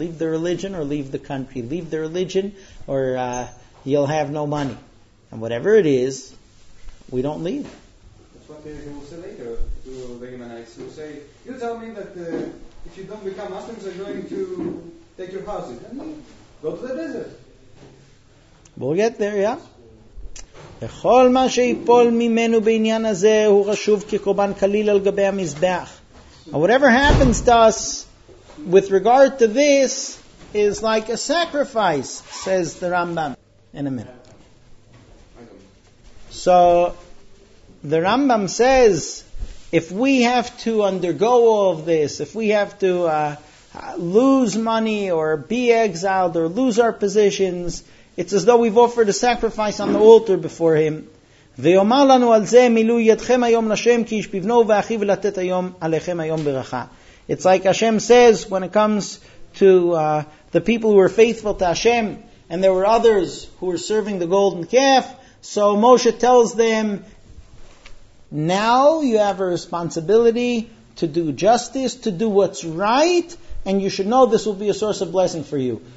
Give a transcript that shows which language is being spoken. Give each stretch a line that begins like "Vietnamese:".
English: Leave the religion or leave the country. Leave the religion or you'll have no money. And whatever it is, we don't leave. That's what they will say later to the Yemenites. You say, you tell me that if you don't become Muslims, they're going to take your houses. And go to the desert. We'll get there, yeah.
Hebrew: וכל מה שיפול ממנו בעניין הזה הוא רשוב כקורבן קליל על גבי המזבח.
English: Whatever happens to us with regard to this is like a sacrifice, says the Rambam. In a minute. So, the Rambam says, if we have to undergo all of this, if we have to lose money or be exiled or lose our positions, it's as though we've offered a sacrifice on the altar before him.
Hebrew: ויאמר לנו על זה מילוי ידכם היום לשם כי איש בבנו ואחיו ולתת היום עליכם היום ברכה.
English: It's like Hashem says when it comes to the people who were faithful to Hashem and there were others who were serving the golden calf. So Moshe tells them, now you have a responsibility to do justice, to do what's right, and you should know this will be a source of blessing for you.